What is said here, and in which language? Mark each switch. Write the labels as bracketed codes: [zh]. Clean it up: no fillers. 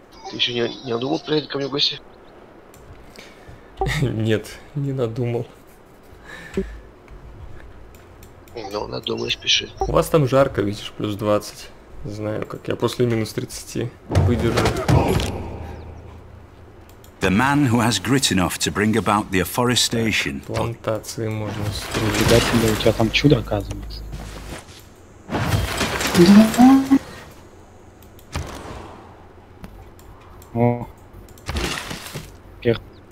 [ru] Ты еще не надумал приехать ко мне в гости? Нет, не надумал. Ну, надумаешь, пиши. У вас там жарко, видишь, плюс 20. Знаю, как я после минус 30 выдержу. [en] The man who has grit enough to bring about the afforestation. [ru] Плантации можно строить. Ребята, у тебя там чудо оказывается. О, перт.